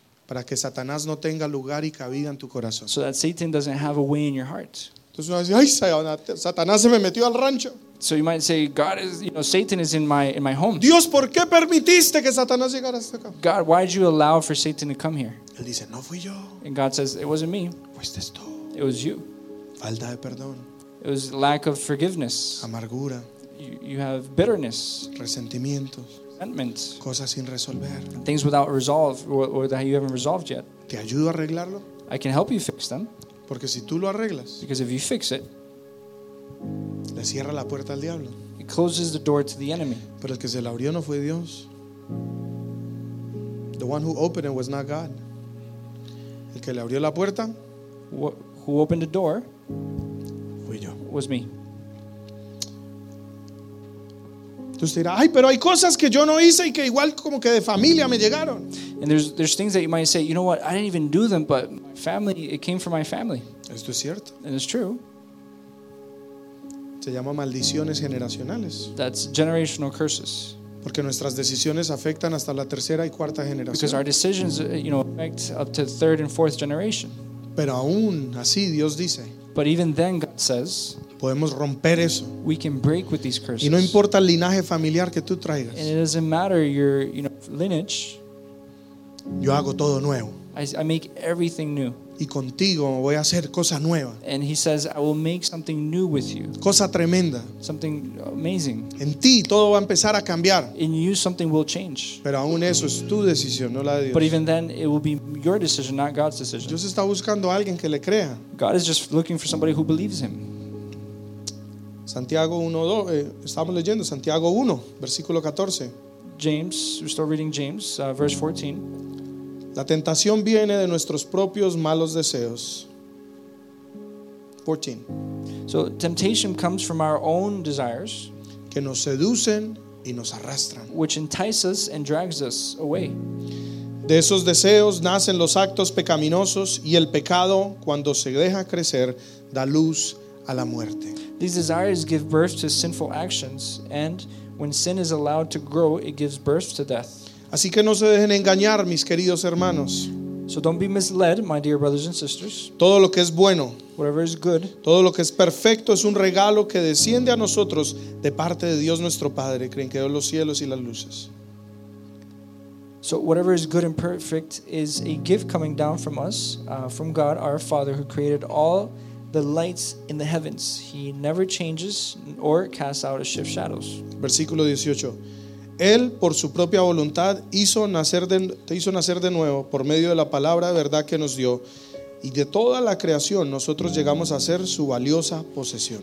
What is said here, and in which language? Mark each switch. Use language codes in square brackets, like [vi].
[es] Para que Satanás no tenga lugar y cabida en tu corazón. [en] So that Satan doesn't have a way in your heart. [es] Entonces uno dice, ay, Satanás se me metió al rancho. [en] So you might say, God is, you know, Satan is in my home. [es] Dios, ¿por qué permitiste que Satanás llegara hasta acá? [en] God, why did you allow for Satan to come here? [es] Él dice, no fui yo. [en] And God says, it wasn't me. [es] Fuiste tú. [en] It was you. [es] Falta de perdón. [en] It was lack of forgiveness. [es] Amargura. [en] You have bitterness. [es] Resentimientos. [en] Resentments. [es] Cosas sin resolver. [en] Things without resolve or that you haven't resolved yet. [es] ¿Te ayudo a arreglarlo? [en] I can help you fix them. [es] Porque si tú lo arreglas. [en] Because if you fix it. [es] Le cierra la puerta al diablo. [en] It closes the door to the enemy. [es] Pero el que se la abrió no fue Dios. [en] The one who opened it was not God. [es] El que le abrió la puerta. [en] Who opened the door. [es] Fui yo. [en] Was me. [es] Entonces dirá, ay, pero hay cosas que yo no hice y que igual como que de familia me llegaron. [en] And there's things that you might say, you know what, I didn't even do them, but family, it came from my family. [es] Esto es cierto. [en] And it's true. [es] Se llama maldiciones generacionales. [en] That's generational curses. [es] Porque nuestras decisiones afectan hasta la tercera y cuarta generación. [en] Because our decisions, you know, affect up to third and fourth generation. [es] Pero aún así Dios dice. [en] But even then God says. [es] Podemos romper eso. [en] We can break with these curses. [es] Y no importa el linaje familiar que tú traigas. [en] And it doesn't matter your, you know, lineage. [es] Yo hago todo nuevo. [en] I make everything new. [es] Y contigo voy a hacer cosas nuevas. [en] And he says, I will make something new with you. [es] Cosa tremenda. [en] Something amazing. [es] En ti todo va a empezar a cambiar. [en] In you something will change. [es] Pero aún eso es tu decisión, no la de Dios. [en] But even then it will be your decision, not God's decision. [es] Dios está buscando a alguien que le crea. [en] God is just looking for somebody who believes him. [es] Santiago 1:2, estamos leyendo Santiago 1, versículo 14. [en] James, we're still reading James, verse 14. [es] La tentación viene de nuestros propios malos deseos. [en] 14. So temptation comes from our own desires, [es] que nos seducen y nos arrastran, [en] which entice us and drags us away. [es] De esos deseos nacen los actos pecaminosos y el pecado, cuando se deja crecer, da luz a la muerte. [en] These desires give birth to sinful actions, and when sin is allowed to grow, it gives birth to death. [es] Así que no se dejen engañar, mis queridos hermanos. [en] So don't be misled, my dear brothers and sisters. [es] Todo lo que es bueno, [en] whatever is good, [es] todo lo que es perfecto es un regalo que desciende a nosotros de parte de Dios nuestro Padre, creen que Dios los cielos y las luces. [en] So whatever is good and perfect is a gift coming down from us, from God our Father, who created all the lights in the heavens. He never changes or casts out a shift shadows. [es] Versículo 18. Él por su propia voluntad hizo nacer de nuevo por medio de la palabra de verdad que nos dio, y de toda la creación nosotros llegamos a ser su valiosa posesión.